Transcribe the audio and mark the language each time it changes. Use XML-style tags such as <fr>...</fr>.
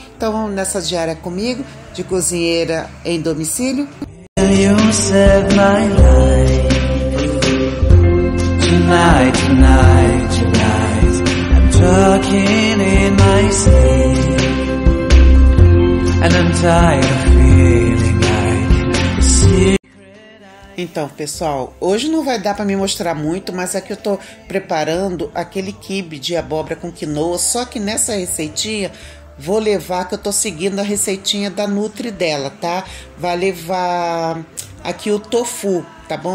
<pt>Então vamos nessa diária comigo, de cozinheira em domicílio.</pt> <en>You set my life tonight, tonight, tonight. I'm talking in my sleep, and I'm tired of feeling like a secret.</en> <pt>Então, pessoal, hoje não vai dar para me mostrar muito, mas aqui eu tô preparando aquele quibe de abóbora com quinoa, só que nessa receitinha vou levar, que eu tô seguindo a receitinha da Nutri dela, tá? Vai levar aqui o tofu, tá bom?</pt>